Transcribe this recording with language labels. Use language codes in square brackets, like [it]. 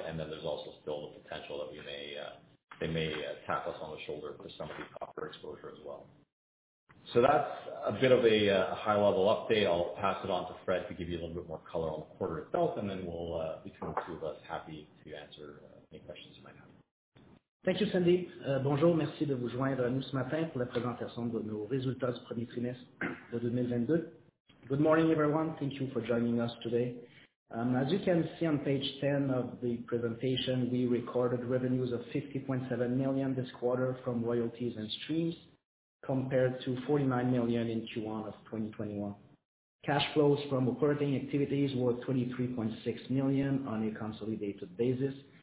[en] And then there's also still the potential that they may tap us on the shoulder for some of the copper exposure as well. So that's a bit of a high-level update. I'll pass it on to Fred to give you a little bit more color on the quarter itself, and then we'll, between the two of us, happy to answer any questions you might have. Thank you, Sandy. [fr] Bonjour, merci de vous joindre à nous ce matin pour la présentation de nos résultats du premier trimestre de 2022. [en] Good morning, everyone. Thank you for joining us today. As you can see on page 10 of the presentation, we recorded revenues of $50.7 million this quarter from royalties and streams, compared to $49 million in Q1 of 2021. Cash flows from operating activities were $23.6 million on a consolidated basis.